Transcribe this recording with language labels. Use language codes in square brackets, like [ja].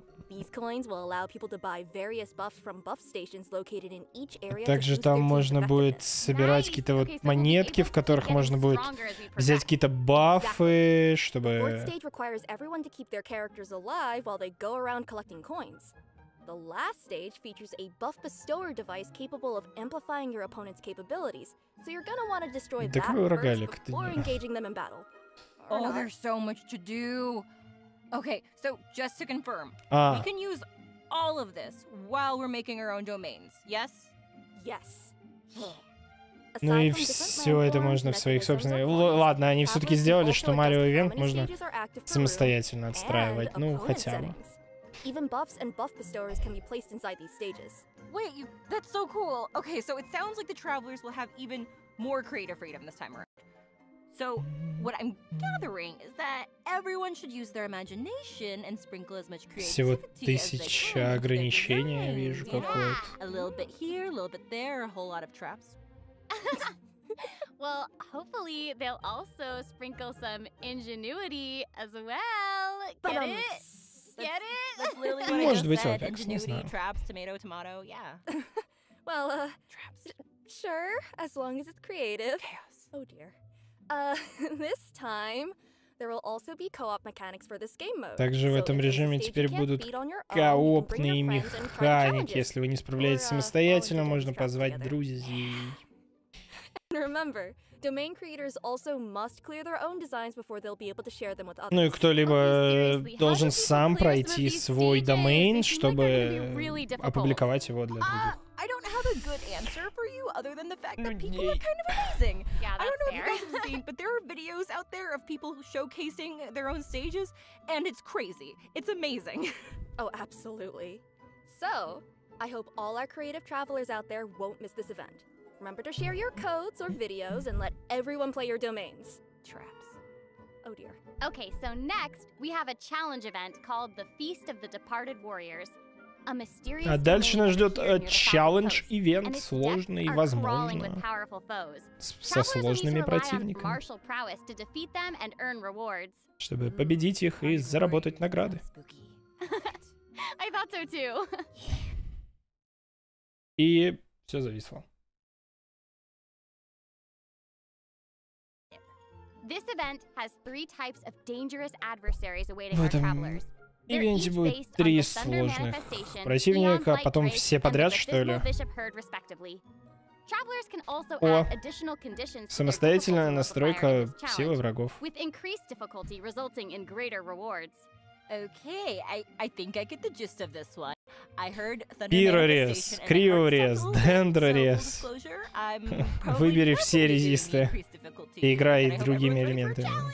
[en] These coins will allow people to buy various buffs from buff stations located in each area. [ru] Также там можно будет собирать какие-то вот монетки, в которых можно будет взять какие-то бафы, чтобы... [en] The fourth stage requires everyone to keep their characters alive while they go around collecting coins. The last stage features a buff bestower device capable of amplifying your opponent's capabilities, so you're gonna want to destroy that first before engaging them in battle. Oh, there's so much to do. Okay, so just to confirm, we can use all of this while we're making our own domains, yes? Yes. [ru] Ну и все это можно в своих собственных... Ладно, они все-таки сделали, что Марио Ивент можно самостоятельно отстраивать, ну хотя бы. [en] Even buffs and buff bestowers can be placed inside these stages. Wait, that's so cool. Okay, so it sounds like the travelers will have even more creative freedom this time around. So, what I'm gathering is that everyone should use their imagination and sprinkle as much creativity as they can. [ru] Всего тысяча ограничений, я вижу, какое-то. [en] A little bit here, a little bit there, a whole lot of traps. Well, hopefully they'll also sprinkle some ingenuity as well. Get it? That's [ru] может быть, [en] Apex, [ru] не знаю. [en] Traps, tomato, tomato, yeah. Well, sure, as long as it's creative. Chaos. Oh dear. This time, there will also be co-op mechanics for this game mode. [ru] Также в этом режиме теперь будут коопные механики. Если вы не справляетесь самостоятельно, можно позвать друзей. [en] And remember, domain creators also must clear their own designs before they'll be able to share them with others. [ru] Ну и кто-либо должен сам пройти свой домен, чтобы опубликовать его для других. [en] I don't have a good answer for you other than the fact that people are kind of amazing. Yeah, that's I don't know if you guys have seen, but there are videos out there of people showcasing their own stages, and it's crazy. It's amazing. Oh, absolutely. So, I hope all our creative travelers out there won't miss this event. Remember to share your codes or videos and let everyone play your domains. Traps. Oh dear. Okay, so next we have a challenge event called the Feast of the Departed Warriors. A mysterious. [ru] А дальше нас ждет [en] challenge event, [ru] сложный, возможно, со сложными противниками. [en] Martial prowess to defeat them and earn rewards. [ru] Чтобы победить их и заработать награды. [en] I thought so too. [ru] И все зависло. [en] This event has three types of dangerous adversaries awaiting our travelers. [ru] В этом будет три сложных противника, потом все подряд, что ли? [en] Travelers can also add additional conditions. [ru] Самостоятельная настройка силы врагов. [en] With increased difficulty resulting in greater rewards. Okay, I think I get the gist of this one. I heard [ru] Пирорез, Криорез, Дендрорез. Выбери все резисты и играй другими элементами.